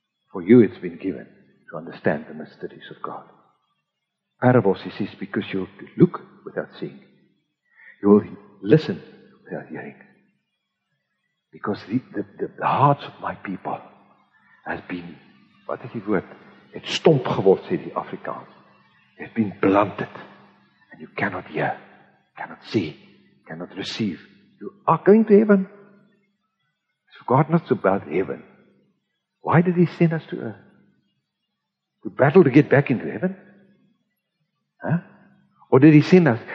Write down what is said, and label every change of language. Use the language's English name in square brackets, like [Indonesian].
[English] For you, it's been given to understand the mysteries of God. Parables, he says, because you look without seeing. You will listen without hearing. Because the hearts of my people has been, what is the word? [Afrikaans] Het stomp geword, [English] said the Afrikaans. It's been blunted. And you cannot hear, cannot see, cannot receive. You are going to heaven. It's forgotten us about heaven. Why did he send us to earth? To battle to get back into heaven? Huh? Or did he send us?